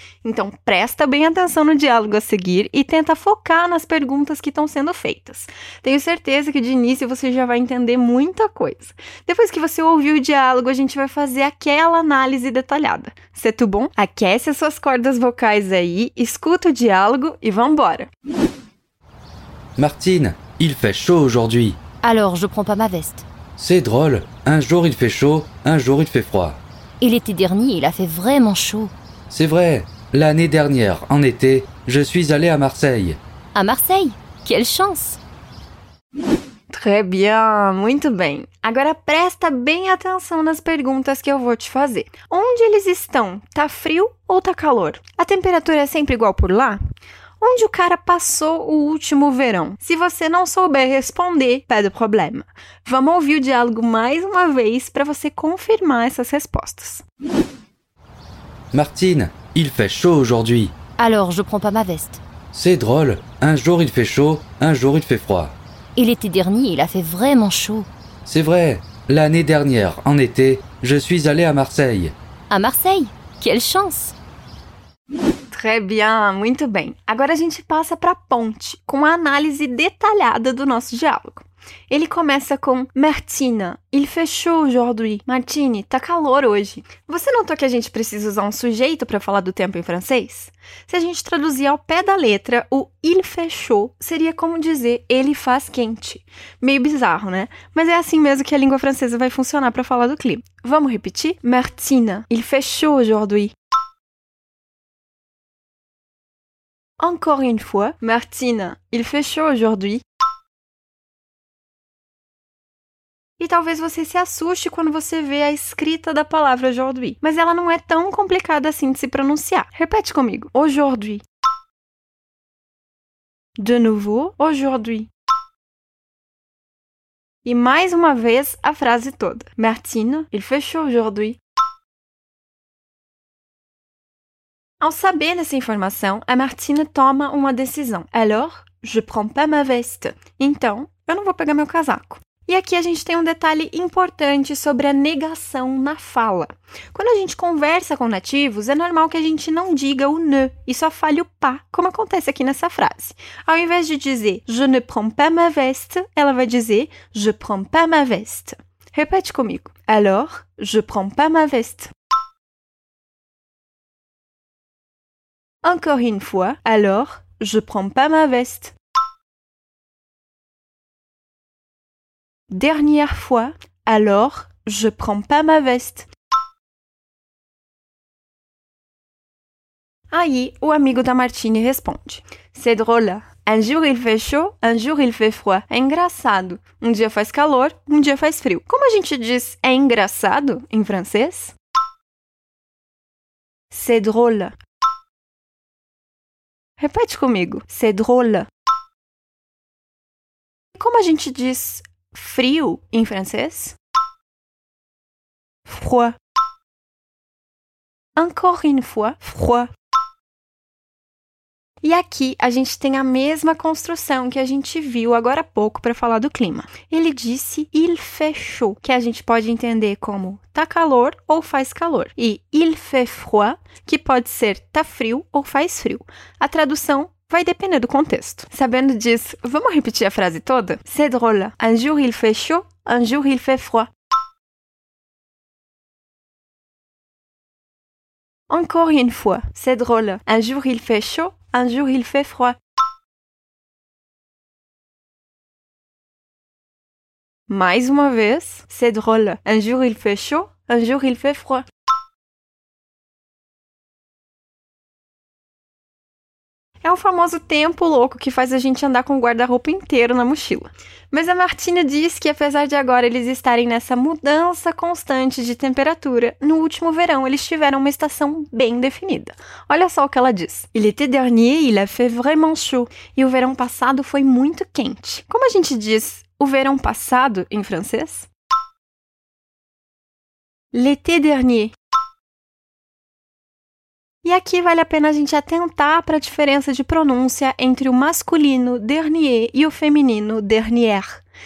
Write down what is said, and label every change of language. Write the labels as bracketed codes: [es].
[pt] Então presta bem atenção no diálogo a seguir e tenta focar nas perguntas que estão sendo feitas. Tenho certeza que de início você já vai entender muita coisa. Depois que você ouvir o diálogo, a gente vai fazer aquela análise detalhada. [fr] C'est tout bon? [pt] Aquece as suas cordas vocais aí, escuta o diálogo e vambora! [fr] Martine, il fait chaud aujourd'hui. Alors je prends pas ma veste. C'est drôle, un jour il fait chaud, un jour il fait froid. Et l'été dernier, il a fait vraiment chaud. C'est vrai. L'année dernière, en été, je suis allé à Marseille. À Marseille? Quelle chance! Très bien, [pt] muito bem. Agora presta bem atenção nas perguntas que eu vou te fazer. Onde eles estão? Tá frio ou tá calor? A temperatura é sempre igual por lá? Onde o cara passou o último verão? Se você não souber responder, [fr] pas de problème. [pt] Vamos ouvir o diálogo mais uma vez para você confirmar essas respostas. [fr] Martine, il fait chaud aujourd'hui. Alors, je prends pas ma veste. C'est drôle, un jour il fait chaud, un jour il fait froid. Et l'été dernier, il a fait vraiment chaud. C'est vrai, l'année dernière, en été, je suis allé à Marseille. À Marseille? Quelle chance! Très bien, [pt] muito bem. Agora a gente passa para a ponte, com a análise detalhada do nosso diálogo. Ele começa com Martina, [fr] il fait chaud aujourd'hui. [pt] Martine, tá calor hoje. Você notou que a gente precisa usar um sujeito para falar do tempo em francês? Se a gente traduzir ao pé da letra, o [fr] il fait chaud [pt] seria como dizer ele faz quente. Meio bizarro, né? Mas é assim mesmo que a língua francesa vai funcionar para falar do clima. Vamos repetir? [fr] Martina, il fait chaud aujourd'hui. Encore une fois, Martina, il fait chaud aujourd'hui. [pt] E talvez você se assuste quando você vê a escrita da palavra aujourd'hui. Mas ela não é tão complicada assim de se pronunciar. Repete comigo. [fr] Aujourd'hui. De nouveau, aujourd'hui. [pt] E mais uma vez, a frase toda. [fr] Martine, il fait chaud aujourd'hui. [pt] Ao saber dessa informação, a Martine toma uma decisão. [fr] Alors, je prends pas ma veste. [pt] Então, eu não vou pegar meu casaco. E aqui a gente tem um detalhe importante sobre a negação na fala. Quando a gente conversa com nativos, é normal que a gente não diga o ne e só fale o pas, como acontece aqui nessa frase. Ao invés de dizer [fr] je ne prends pas ma veste, [pt] ela vai dizer [fr] je prends pas ma veste. [pt] Repete comigo. [fr] Alors, je prends pas ma veste. Encore une fois, alors, je prends pas ma veste. Dernière fois, alors je prends pas ma veste. [pt] Aí, o amigo da Martine responde. [fr] C'est drôle. Un jour il fait chaud, un jour il fait froid. [pt] É engraçado. Um dia faz calor, um dia faz frio. Como a gente diz é engraçado em francês? [fr] C'est drôle. [pt] Repete comigo. C'est drôle. Como a gente diz frio em francês? Froid. [fr] Encore une fois, froid. [pt] E aqui a gente tem a mesma construção que a gente viu agora há pouco para falar do clima. Ele disse [fr] il fait chaud, [pt] que a gente pode entender como tá calor ou faz calor. E [fr] il fait froid, [pt] que pode ser tá frio ou faz frio. A tradução vai depender do contexto. Sabendo disso, vamos repetir a frase toda? [fr] C'est drôle. Un jour il fait chaud, un jour il fait froid. Encore une fois. C'est drôle. Un jour il fait chaud. Un jour il fait froid. [pt] Mais uma vez, [fr] c'est drôle. Un jour il fait chaud, un jour il fait froid. [pt] É o famoso tempo louco que faz a gente andar com o guarda-roupa inteiro na mochila. Mas a Martina diz que apesar de agora eles estarem nessa mudança constante de temperatura, no último verão eles tiveram uma estação bem definida. Olha só o que ela diz. [fr] L'été dernier, il a fait vraiment chaud. [pt] E o verão passado foi muito quente. Como a gente diz o verão passado em francês? [fr] L'été dernier. [pt] E aqui vale a pena a gente atentar para a diferença de pronúncia entre o masculino dernier e o feminino dernière.